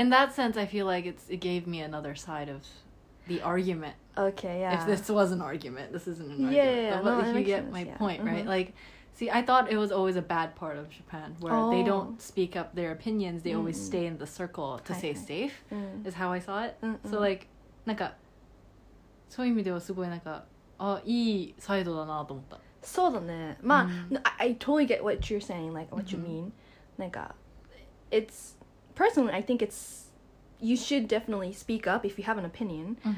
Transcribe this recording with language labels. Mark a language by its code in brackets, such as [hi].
[en] In that sense, I feel like it gave me another side of the argument. Okay, yeah. If this was an argument, this isn't an argument. Yeah. But no, if you get my point, right? Like, see, I thought it was always a bad part of Japan where they don't speak up their opinions. They always stay in the circle to stay safe, is how I saw it. So, like, [ja] なんか、そういう意味ではすごいなんか、あ、いいサイドだなと思った。そうだね。 [en] まあ、I totally get what you're saying, like what you mean. なんか、it's personally, I think it's you should definitely speak up if you have an opinion.